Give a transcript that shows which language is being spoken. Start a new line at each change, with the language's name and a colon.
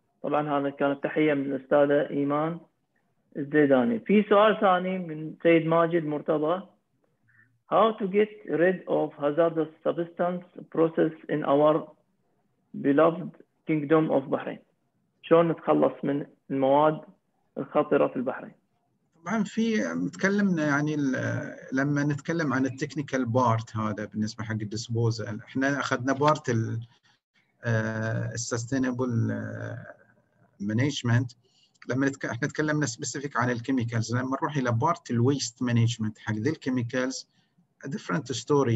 Arabic: طبعا هذا كانت تحية من أستاذ إيمان الزيداني. في سؤال ثاني من سيد ماجد مرتضى،
English: How to get rid of hazardous substance process in our beloved kingdom of Bahrain؟
Arabic: شلون نتخلص من المواد الخطرة في البحرين؟ طبعا في تكلمنا يعني لما نتكلم عن التكنيكال بارت هذا بالنسبه حق الديسبوزل، احنا اخذنا بارت السستينبل مانجمنت. لما احنا تكلمنا سبيسيفيك عن الكيميكالز، لما نروح الى بارت الويست مانجمنت حق ذي الكيميكالز ديفرنت ستوري.